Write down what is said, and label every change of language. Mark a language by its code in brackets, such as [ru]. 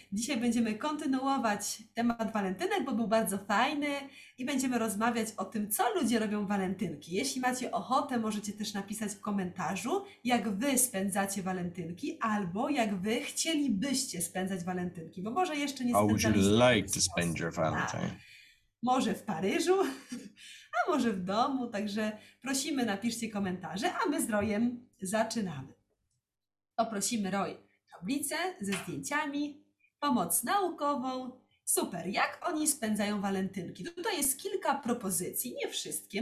[pl] Dzisiaj będziemy kontynuować temat walentynek, bo był bardzo fajny i będziemy rozmawiać o tym, co ludzie robią walentynki. Jeśli macie ochotę, możecie też napisać w komentarzu, jak wy spędzacie walentynki albo jak wy chcielibyście spędzać walentynki, bo może jeszcze nie spędzaliście. [en] How would you like to spend your Valentine? [pl] Może w Paryżu, a może w domu, także prosimy, napiszcie komentarze, a my z Rojem zaczynamy. Poprosimy Roy tablicę ze zdjęciami, pomoc naukową. Super, jak oni spędzają walentynki? Tutaj jest kilka propozycji, nie wszystkie.